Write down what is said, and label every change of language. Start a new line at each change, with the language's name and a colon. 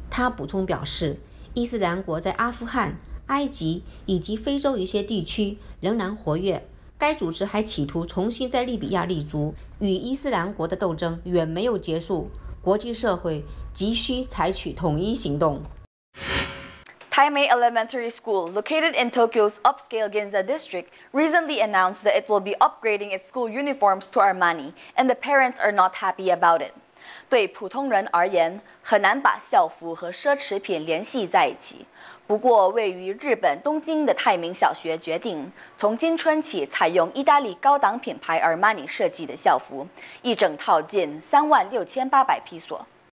Chinese: 他补充表示，伊斯兰国在阿富汗、埃及以及非洲一些地区仍然活跃。该组织还企图重新在利比亚立足，与伊斯兰国的斗争远没有结束，国际社会急需采取统一行动。
English: Taimei Elementary School, located in Tokyo's upscale Ginza district, recently announced that it will be upgrading its school uniforms to Armani, and the parents are not happy about it.
Chinese: 对普通人而言，很难把校服和奢侈品联系在一起。不过，位于日本东京的泰明小学决定，从今春起采用意大利高档品牌 Armani 设计的校服，一整套近36,800披索。